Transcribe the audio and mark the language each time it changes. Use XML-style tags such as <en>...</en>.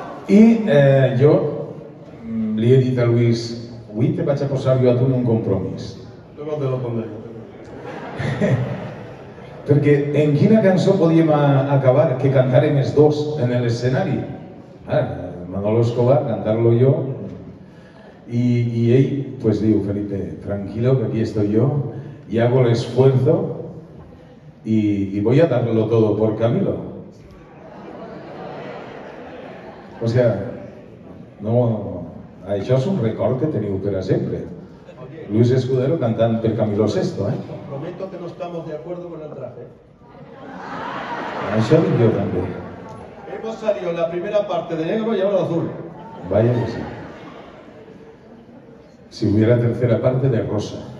<ca>I jo li he dit a Luis, avui te vaig a posar jo a tu en un compromís.</ca> <es>Jo no te lo pondré.</es> <ca>Perquè en quina cançó podíem acabar, que cantarem els dos en l'escenari? Manolo Escobar, cantar-lo jo. I ell pues, diu,</ca> <es>Felipe, tranquilo, que aquí estoy yo, y hago el esfuerzo y voy a darlo todo por Camilo.</es> <ca>O sea, no, això és un record que teniu per a sempre. Luis Escudero cantant per Camilo VI, eh?</ca> <es>Prometo que no estamos de acuerdo con el traje.</es> <ca>Això dic jo també.</ca> <es>Hemos salido la primera parte de negro y ahora azul. Vaya que sí. Si hubiera tercera parte de rosa.</es>